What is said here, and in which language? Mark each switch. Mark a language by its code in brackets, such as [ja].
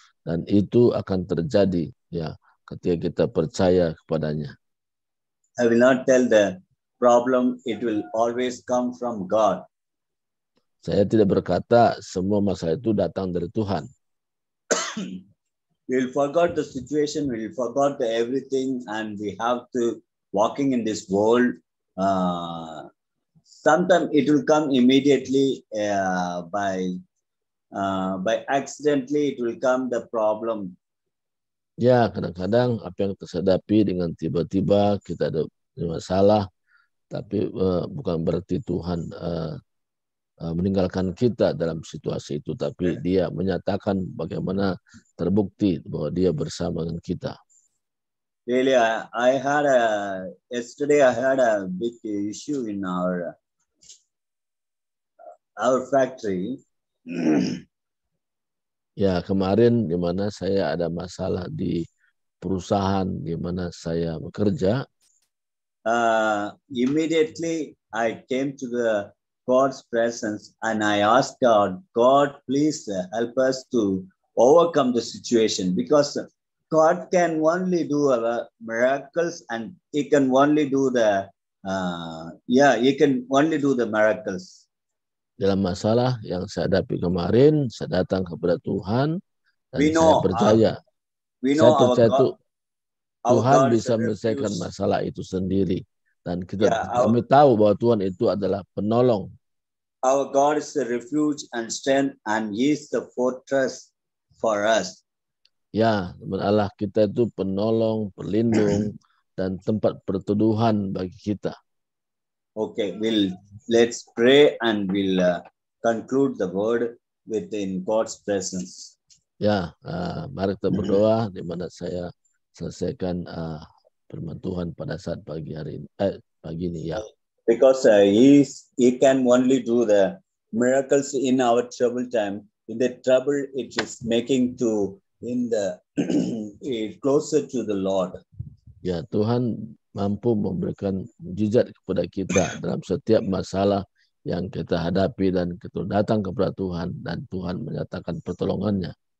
[id] Dan itu akan terjadi, ya, ketika kita percaya kepadanya. [en] I will not tell the problem, it will always come from God. [id] Saya tidak berkata semua masalah itu datang dari Tuhan. [en] We'll forget the situation, we'll forget the everything, and we have to walking in this world. Sometimes it will come immediately by accidentally it will come the problem. [id] Ya, kadang-kadang apa yang tersadapi dengan tiba-tiba kita ada masalah, tapi bukan berarti Tuhan meninggalkan kita dalam situasi itu, tapi dia menyatakan bagaimana terbukti bahwa dia bersama dengan kita. [en] Really, I had a, yesterday I had a big issue in our factory. [id] Ya, kemarin di mana saya ada masalah di perusahaan di mana saya bekerja. [en] Immediately I came to the God's presence and I asked God, God, please help us to overcome the situation, because God can only do miracles and he can only do the he can only do the miracles. [id] Dalam masalah yang saya hadapi kemarin, saya datang kepada Tuhan dan saya percaya. Saya percaya Tuhan bisa menyelesaikan masalah itu sendiri. Dan kami tahu bahwa Tuhan itu adalah penolong. [en] Our God is the refuge and strength and he is the fortress for us. [id] Ya, Allah kita itu penolong, pelindung, dan tempat perteduhan bagi kita. [en] Okay, let's pray and we'll conclude the word within God's presence. [id] Ya, mari kita berdoa di mana saya selesaikan firman Tuhan pada saat pagi hari ini, pagi ini ya. [en] Because he can only do the miracles in our trouble time. In the trouble, it is making to in the closer to the Lord. [id] Ya, Tuhan mampu memberikan mujizat kepada kita dalam setiap masalah yang kita hadapi dan kita datang kepada Tuhan dan Tuhan menyatakan pertolongannya.